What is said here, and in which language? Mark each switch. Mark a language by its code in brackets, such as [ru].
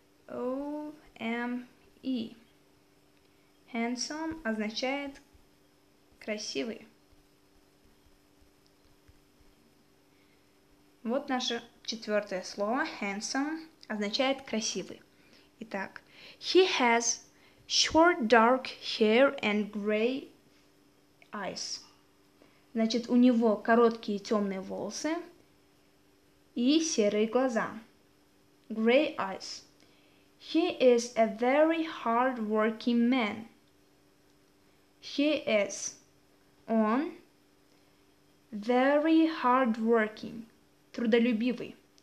[ru] O-M-E. Handsome означает красивый. Вот наше четвертое слово. Handsome означает красивый. Итак, [en] he has short dark hair and gray eyes. [ru] Значит, у него короткие темные волосы и серые глаза. [en] Gray eyes. He is a very hard-working man. He is on very hard-working. [ru] Трудолюбивый.